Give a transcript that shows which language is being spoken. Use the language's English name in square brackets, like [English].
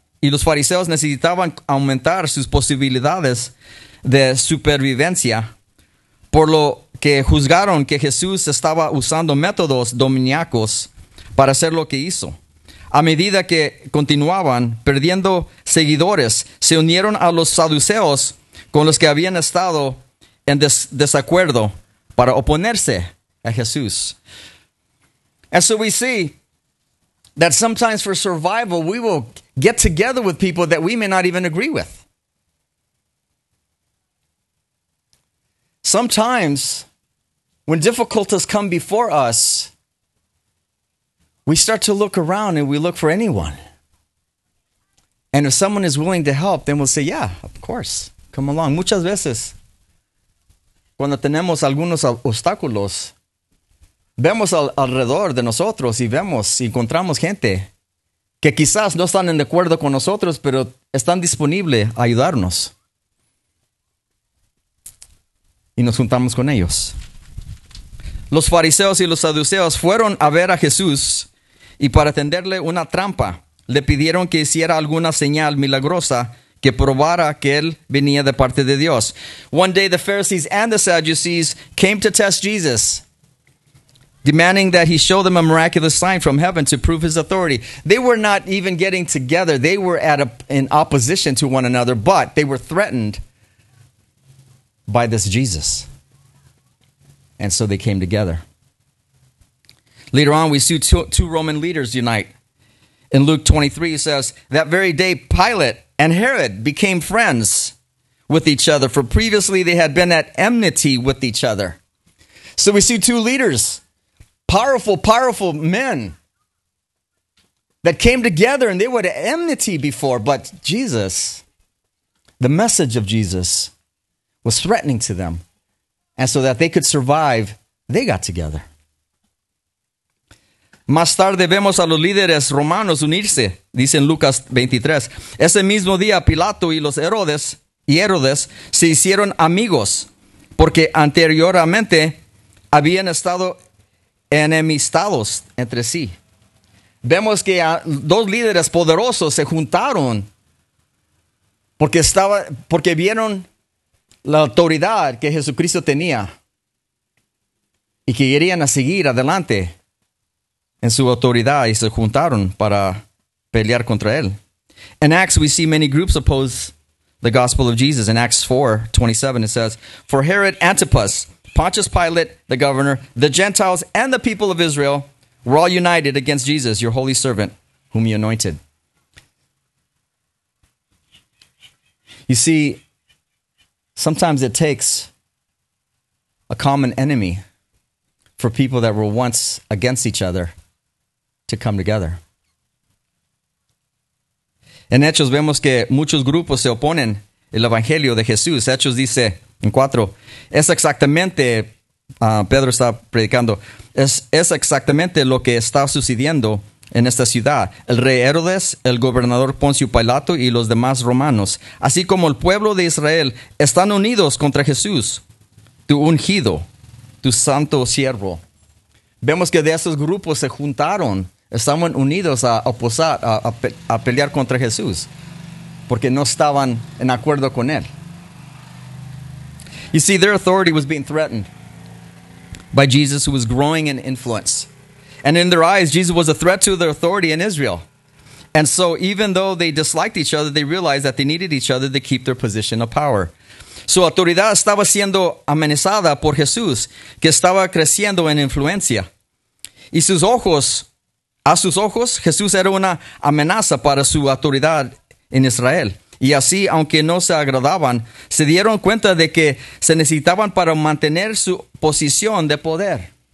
[Spanish] Y los fariseos necesitaban aumentar sus posibilidades de supervivencia, por lo que juzgaron que Jesús estaba usando métodos demoníacos para hacer lo que hizo. A medida que continuaban perdiendo seguidores, se unieron a los saduceos con los que habían estado en desacuerdo para oponerse a Jesús. [English] And so we see that sometimes for survival, we will get together with people that we may not even agree with. Sometimes, when difficulties come before us, we start to look around and we look for anyone. And if someone is willing to help, then we'll say, yeah, of course, come along. [Spanish] Muchas veces, cuando tenemos algunos obstáculos, vemos alrededor de nosotros y vemos, y encontramos gente que quizás no están en acuerdo con nosotros, pero están disponibles a ayudarnos. Y nos juntamos con ellos. Los fariseos y los saduceos fueron a ver a Jesús y para tenderle una trampa, le pidieron que hiciera alguna señal milagrosa que probara que él venía de parte de Dios. [English] One day the Pharisees and the Sadducees came to test Jesus, demanding that he show them a miraculous sign from heaven to prove his authority. They were not even getting together. They were in opposition to one another, but they were threatened by this Jesus. And so they came together. Later on, we see two Roman leaders unite. In Luke 23, it says, that very day, Pilate and Herod became friends with each other, for previously they had been at enmity with each other. So we see two leaders, powerful, powerful men that came together, and they were at enmity before, but Jesus, the message of Jesus, was threatening to them. And so that they could survive, they got together. [Spanish] Más tarde vemos a los líderes romanos unirse, dice en Lucas 23. Ese mismo día Pilato y Herodes se hicieron amigos porque anteriormente habían estado enemistados entre sí. Vemos que dos líderes poderosos se juntaron porque vieron la autoridad que Jesucristo tenía y que querían a seguir adelante en su autoridad y se juntaron para pelear contra él. [English] In Acts, we see many groups oppose the gospel of Jesus. In Acts 4:27, it says, for Herod Antipas, Pontius Pilate, the governor, the Gentiles, and the people of Israel were all united against Jesus, your holy servant, whom you anointed. You see, sometimes it takes a common enemy for people that were once against each other to come together. [Spanish] En Hechos vemos que muchos grupos se oponen al Evangelio de Jesús. Hechos dice en 4, es exactamente, Pedro está predicando, es exactamente lo que está sucediendo en esta ciudad. El rey Herodes, el gobernador Poncio Pilato y los demás romanos, así como el pueblo de Israel, están unidos contra Jesús, tu ungido, tu santo siervo. Vemos que de esos grupos se juntaron, estaban unidos a pelear contra Jesús, porque no estaban en acuerdo con él. [English] You see, their authority was being threatened by Jesus, who was growing in influence. And in their eyes, Jesus was a threat to their authority in Israel. And so even though they disliked each other, they realized that they needed each other to keep their position of power. [Spanish] Su autoridad estaba siendo amenazada por Jesús, que estaba creciendo en influencia. Y a sus ojos, Jesús era una amenaza para su autoridad en Israel. Y así, aunque no se agradaban, se dieron cuenta de que se necesitaban para mantener su posición de poder.